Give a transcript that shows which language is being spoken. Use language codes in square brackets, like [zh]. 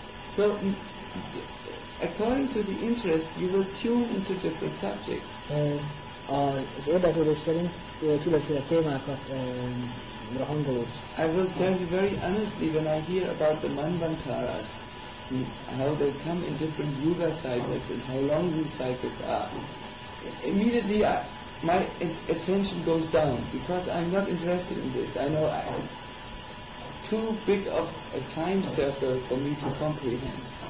[en] So, according to the interest, you will tune into different subjects. [hu] Az érdeklődés szerint különféle témákat hangolódsz. [en] I will tell you very honestly, when I hear about the Manvantaras, how they come in different yoga cycles and how long these cycles are, immediately my attention goes down because I'm not interested in this. I know it's too big of a time circle for me to comprehend.